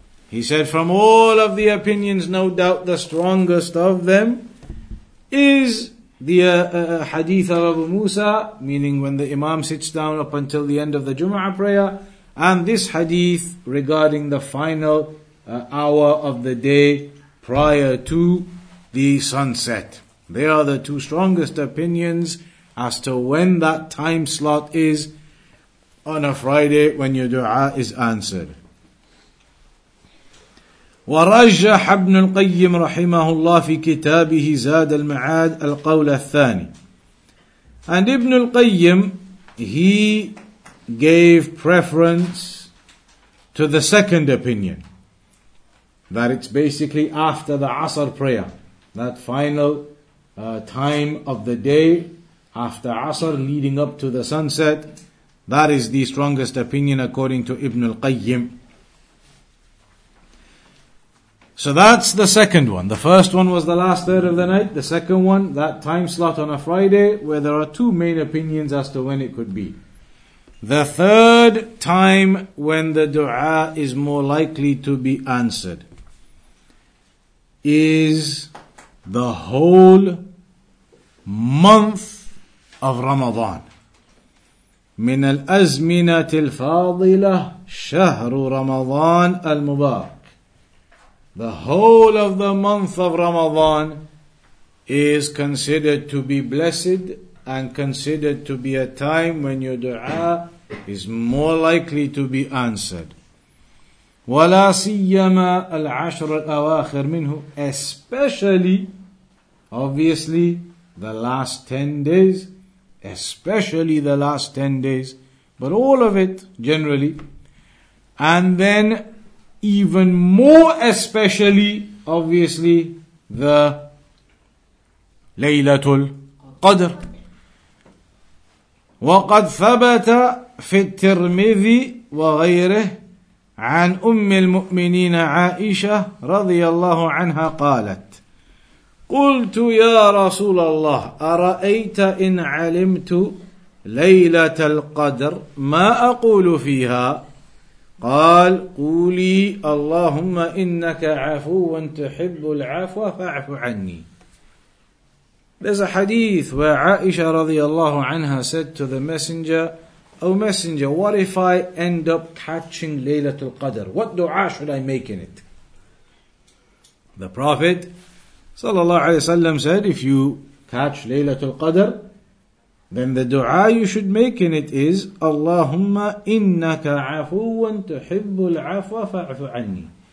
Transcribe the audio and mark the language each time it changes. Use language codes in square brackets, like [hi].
[en] He said, from all of the opinions, no doubt the strongest of them is the hadith of Abu Musa, meaning when the Imam sits down up until the end of the Jumu'ah prayer, and this hadith regarding the final hour of the day prior to the sunset. They are the two strongest opinions as to when that time slot is on a Friday when your dua is answered. [ar] ورجح ابن القيم رحمه الله في كتابه زاد المعاد القول الثاني. [en] And ابن القيم, he gave preference to the second opinion, that it's basically after the Asr prayer, that final time of the day after Asr leading up to the sunset. That is the strongest opinion according to ابن القيم. So that's the second one. The first one was the last third of the night. The second one, that time slot on a Friday, where there are two main opinions as to when it could be. The third time when the dua is more likely to be answered is the whole month of Ramadan. [ar] من الأزمنة الفاضلة شهر رمضان المبارك. [en] The whole of the month of Ramadan is considered to be blessed and considered to be a time when your dua is more likely to be answered. [ar] وَلَا سِيَّمَا الْعَشْرَ الْأَوَاخِرِ مِنْهُ. [en] Especially, obviously, the last 10 days, especially the last 10 days, but all of it generally. And then even more especially, obviously, the Laylatul Qadr. [ar] وَقَدْ ثَبَتَ فِي التِّرْمِذِي وَغَيْرِهِ عَنْ أُمِّ الْمُؤْمِنِينَ عَائِشَةَ رَضِيَ اللَّهُ عَنْهَا قَالَتْ قُلْتُ يَا رَسُولَ اللَّهِ أَرَأَيْتَ إِنْ عَلِمْتُ لَيْلَةَ الْقَدْرِ مَا أَقُولُ فِيهَا قال قولي اللهم إنك عفو تحب العفو فاعف عني. [en] There's a hadith where Aisha radiallahu anha said to the messenger, O messenger, what if I end up catching Laylatul Qadr? What dua should I make in it? The Prophet sallallahu alayhi wa sallam said, if you catch Laylatul Qadr, then the dua you should make in it is, [ar] Allahumma innaka afuwan tuhibbul afwa fa'afu anni.